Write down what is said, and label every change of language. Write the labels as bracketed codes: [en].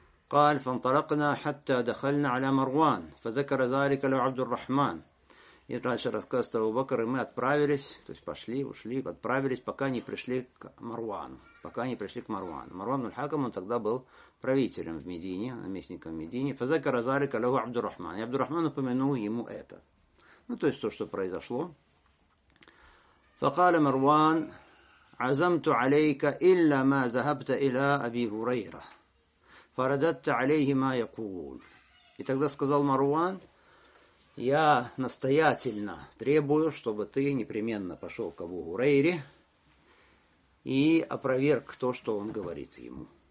[ar] قال فانطلقنا حتى دخلنا على مروان فذكر ذلك له عبد الرحمن [ru] и дальше рассказ Абу Бакр, и мы отправились, то есть пошли, ушли, отправились, пока не пришли к Марвану. Марван аль-Хакам, он тогда был правителем в Медине, наместником в Медине. [ar] فذكر ذلك له عبد الرحمن, [ru] и Абдул-Рахман упомянул ему это, ну то есть то, что произошло. [ar] فقال مروان عزمت عليك الا ما ذهبت الى ابي هريره فردت عليه ما يقول. [ru] И тогда сказал Марван, я настоятельно требую, чтобы ты непременно пошел к Абу Хурейре и опроверг то, что он говорит ему.